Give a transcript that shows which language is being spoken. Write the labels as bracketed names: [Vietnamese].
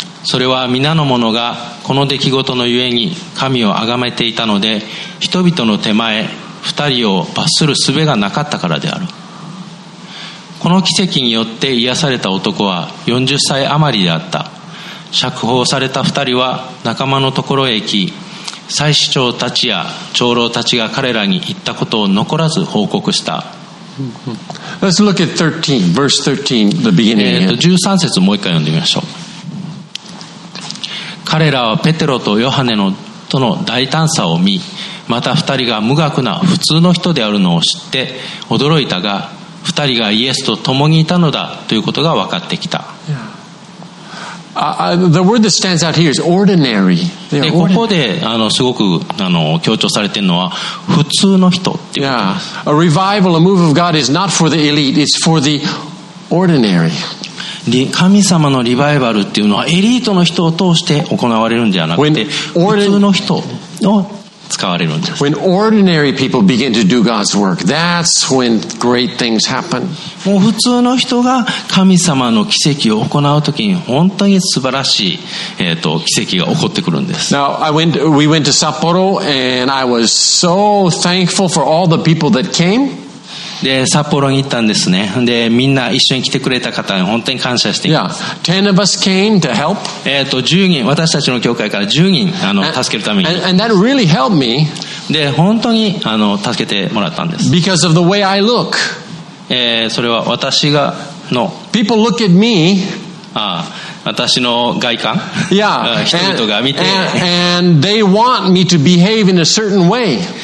[Japanese] それは皆の者がこの出来事のゆえに神を崇めていたので、人々の手前二人を罰する術がなかったからである。この奇跡によって癒された男は40歳余りであった。釈放された二人は仲間のところへ行き、祭司長たちや長老たちが彼らに言ったことを残らず報告した。 [English] Let's look at 13, verse 13, the beginning. [Japanese] 13節もう一回読んでみましょう。彼らはペテロとヨハネのとの大胆さを見、また二人が無学な普通の人であるのを知って驚いたが、二人がイエスと共にいたのだということが分かってきた。 [English] The word that stands out here is ordinary. [Japanese] で、ここで、すごく、強調されているのは、普通の人っていうことです。 [English] A revival, a move of God is not for the elite, it's for the ordinary. [Japanese] 神様のリバイバルっていうのは、エリートの人を通して行われるんではなくて、普通の人を使われるんです。 [English] When ordinary people begin to do God's work, that's when great things happen. [Japanese] もう普通の人が神様の奇跡を行うときに本当に素晴らしい、奇跡が起こってくるんです。 [English] Now we went to Sapporo and I was so thankful for all the people that came. [Japanese] で、札幌に行ったんですね。で、みんな一緒に来てくれた方に本当に感謝しています。 [English] 10 of us came to help. [Japanese] 10人、私たちの教会から10人、助けるために。 [English] And that really helped me. [Japanese] で、本当に、助けてもらったんです。 [English] Because of the way I look. [Japanese] それは私がの。 [English] People look at me. [Japanese] 私の外観。 [English] Yeah. [Japanese] 人々が見て。 [English] And they want me to behave in a certain way.